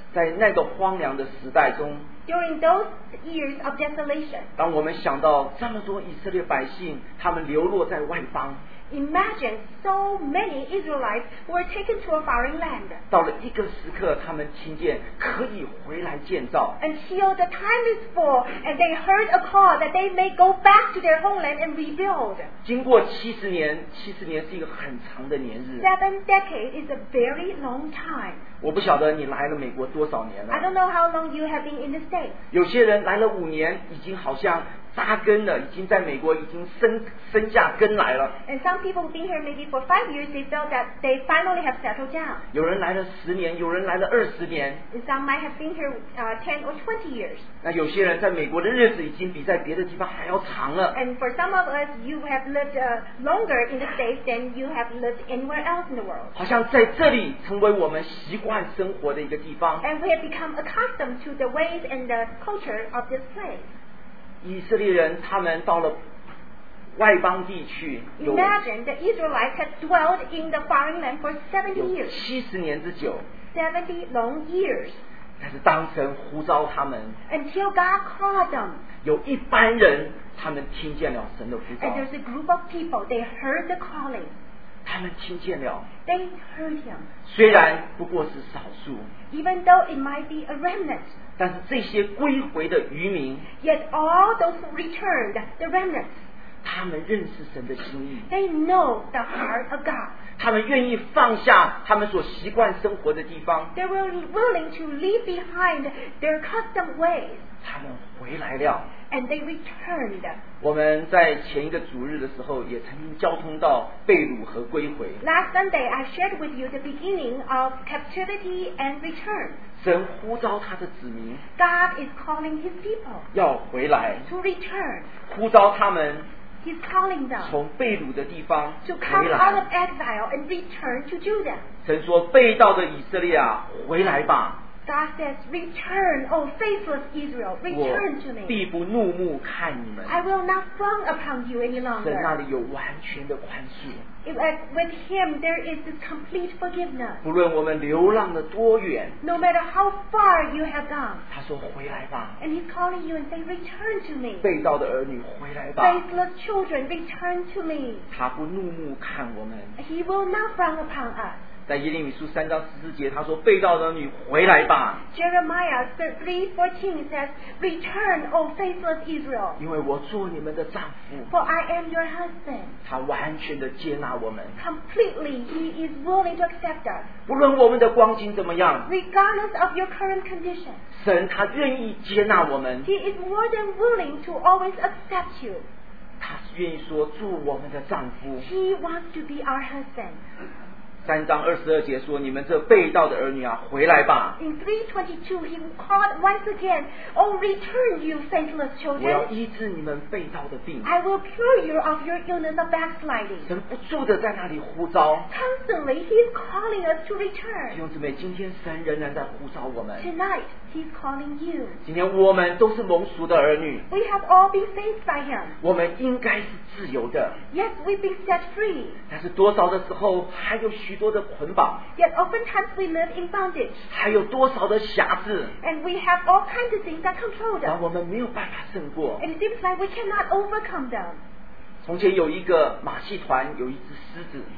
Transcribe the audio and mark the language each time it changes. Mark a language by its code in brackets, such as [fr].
[zh] 在那个荒凉的时代中。 [en] During those years of desolation. [zh] 当我们想到这么多以色列百姓，他们流落在外邦。 [en] Imagine so many Israelites were taken to a foreign land. [zh] 到了一个时刻，他们听见可以回来建造。 [en] Until the time is full, and they heard a call that they may go back to their homeland and rebuild. [zh] 经过70年是一个很长的年日。 [en] Seven decades is a very long time. [zh] 我不晓得你来了美国多少年了。 [en] I don't know how long you have been in the States. [zh] 有些人来了5年，已经好像扎根了，已经在美国已经 生下根来了。 [en] And some people who've been here maybe for 5 years, they felt that they finally have settled down. [zh] 有人来了10年，有人来了20年。 [en] And some might have been here 10 or 20 years. [zh] 那有些人在美国的日子已经比在别的地方还要长了。 [en] And for some of us, you have lived longer in the States than you have lived anywhere else in the world. [zh] 好像在这里成为我们习惯生活的一个地方。 [en] And we have become accustomed to the ways and the culture of this place. [zh] 以色列人他们到了外邦地区。 [en] Imagine the Israelites had dwelt in the foreign land for 70 years. [zh] 70年之久。 [en] 70 long years. [zh] 但是当神呼召他们。 [en] Until God called them. [zh] 有一般人他们听见了神的呼召。 [en] And there's a group of people, they heard the calling. [zh] 他们听见了。 [en] They heard him. [zh] 虽然不过是少数。 [en] Even though it might be a remnant. [zh] 但是这些归回的渔民 [en] Yet all those returned, the remnants, [zh] 他们认识神的心意 [en] They know the heart of God [zh] 他们愿意放下他们所习惯生活的地方 [en] They were willing to leave behind their custom ways [zh] 他们回来了 [en] And they returned [zh] 我们在前一个主日的时候也曾经交通到被掳和归回 [en] Last Sunday I shared with you the beginning of captivity and return [zh] 神呼召他的子民 [en] God is calling his people [zh] 要回来 [en] to return [zh] 呼召他们 [en] He's calling them [zh] 从被掳的地方 [en] to come out of exile and return to Judah [zh] 神说被盗的以色列啊回来吧 [en] God says return O faithless Israel return to me [zh] 我必不怒目看你们 [en] I will not frown upon you any longer [zh] 神那里有完全的宽恕 [en] With him there is this complete forgiveness [zh] 不论我们流浪了多远 [en] No matter how far you have gone [zh] 他说回来吧 [en] And he's calling you and saying return to me [zh] 被盗的儿女回来吧 [en] Faithless children return to me [zh] 他不怒目看我们 [en] He will not frown upon us [zh] 在耶利米书三章十四节他说被盗的儿女回来吧 [en] Jeremiah 3:14 says return O faithless Israel [zh] 因为我做你们的丈夫 [en] for I am your husband [zh] 他完全的接纳我们 [en] completely he is willing to accept us [zh] 不论我们的光景怎么样 [en] regardless of your current condition [zh] 神他愿意接纳我们 [en] he is more than willing to always accept you [zh] 他愿意说做我们的丈夫 [en] he wants to be our husband [zh] 三章二十二节说：“你们这被盗的儿女啊，回来吧。” [en] In 3:22, he called once again, "Oh, return, you faithless children!" [zh] 我要医治你们被盗的病。 [en] I will cure you of your illness of backsliding. [zh] 神不住的在那里呼召。 [en] Constantly, he's calling us to return. [zh] 弟兄姊妹，今天神仍然在呼召我们。 [en] Tonight, he's calling you. [zh] 今天我们都是蒙赎的儿女。 [en] We have all been saved by him. [zh] 我们应该是自由的。 [en] Yes, we've been set free. [zh] 但是多少的时候还有许多的捆绑 [en] Yet oftentimes we live in bondage [zh] 还有多少的瑕疵 [en] And we have all kinds of things that control them [zh] 我们没有办法胜过 [en] And it seems like we cannot overcome them [zh] 从前有一个马戏团有一只狮子